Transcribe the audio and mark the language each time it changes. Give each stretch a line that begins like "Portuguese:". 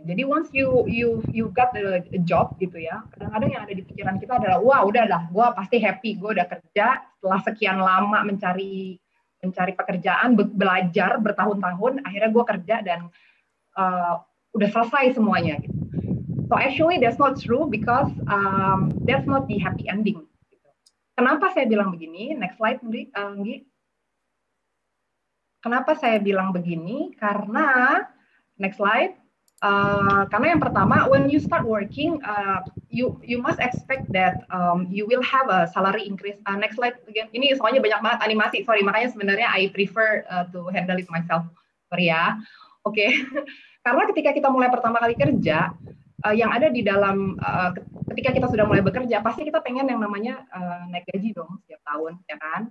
Indonesian: Jadi
English: once you got a job
Indonesian: gitu ya, kadang-kadang yang ada di pikiran kita adalah wah udahlah, gue pasti happy, gue udah kerja setelah sekian lama mencari pekerjaan, belajar bertahun-tahun, akhirnya gue kerja dan udah selesai semuanya. Gitu.
English: So actually that's not true because that's not the happy ending.
Indonesian: Gitu. Kenapa saya bilang begini?
English: Next slide,
Indonesian: Anggi. Kenapa saya bilang begini? Karena,
English: next slide.
Indonesian: Karena yang pertama,
English: when you start working, you must expect that you will have a salary increase. Next slide again.
Indonesian: Ini soalnya banyak banget animasi. Sorry, makanya sebenarnya
English: I prefer to handle it myself.
Indonesian: Sorry ya. Oke. Karena ketika kita mulai pertama kali kerja, yang ada di dalam, ketika kita sudah mulai bekerja, pasti kita pengen yang namanya naik gaji dong setiap tahun, ya kan?